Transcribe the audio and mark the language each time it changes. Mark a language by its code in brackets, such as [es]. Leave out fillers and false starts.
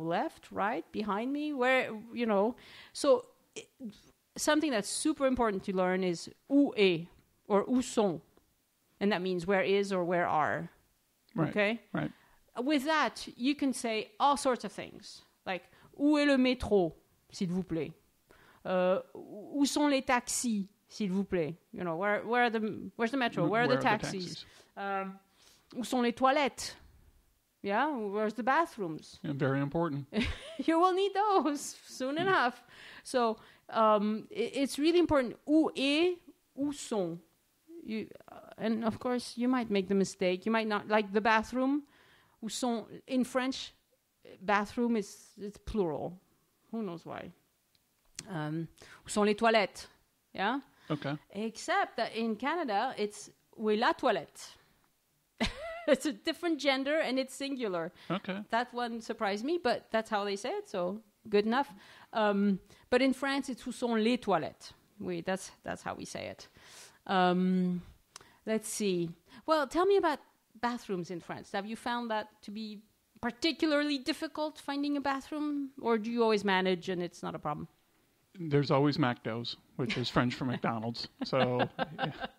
[en] Left, right, behind me? Where, you know? So, something that's super important to learn is où est, or où sont. And that means where is or where are. Right, okay? Right. With that, you can say all sorts of things. [fr] Like, où est le métro, s'il vous plaît? Où sont les taxis, s'il vous plaît? [en] You know, where's the metro? Where are the taxis? [fr] Où sont les toilettes? [en] Yeah, where's the bathrooms? Yeah, very important. You will need those soon enough. So it's really important. [fr] Où est, où sont? [en] And of course, you might make the mistake. You might not like the bathroom. Où sont, in French, bathroom is plural. Who knows why? [fr] Où sont les toilettes? Yeah? [en] Okay. Except that in Canada, it's [fr] où est la toilette. [en] It's a different gender and it's singular. Okay. That one surprised me, but that's how they say it, so good enough. But in France, it's [fr] où sont les toilettes. [en] That's how we say it. Let's see. Well, tell me about bathrooms in France. Have you found that to be particularly difficult, finding a bathroom? Or do you always manage and it's not a problem? There's always McDo's, which is French for McDonald's. So, yeah.